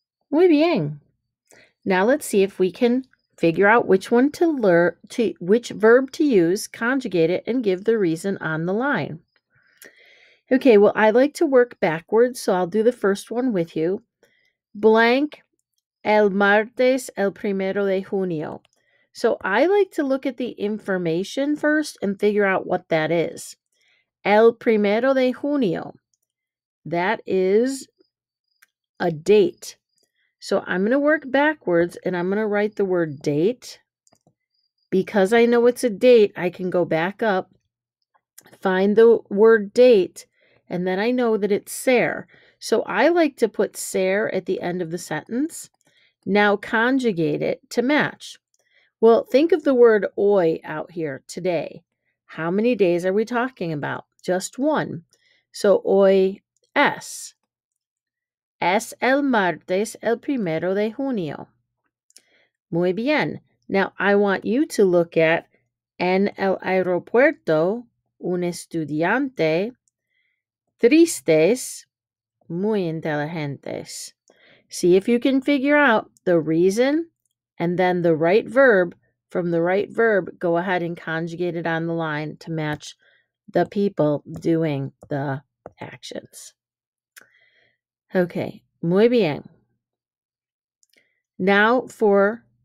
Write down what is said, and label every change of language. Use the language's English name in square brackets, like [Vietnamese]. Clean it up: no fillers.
[Spanish] Muy bien. [English] Now let's see if we can figure out which one to learn, which verb to use, conjugate it, and give the reason on the line. Okay, well, I like to work backwards, so I'll do the first one with you. [Spanish] Blank, el martes, el primero de junio. [English] So I like to look at the information first and figure out what that is. [Spanish] El primero de junio. [English] That is a date. So I'm going to work backwards and I'm going to write the word date. Because I know it's a date, I can go back up, find the word date, and then I know that it's ser. So I like to put ser at the end of the sentence. Now conjugate it to match. Well, think of the word hoy out here, today. How many days are we talking about? Just one. So [Spanish] hoy es. Es el martes el primero de junio. Muy bien. [English] Now, I want you to look at [Spanish] en el aeropuerto, un estudiante, tristes, muy inteligentes. [English] See if you can figure out the reason and then the right verb. From the right verb, go ahead and conjugate it on the line to match the people doing the actions. Okay, [Spanish] muy bien. [English] Now for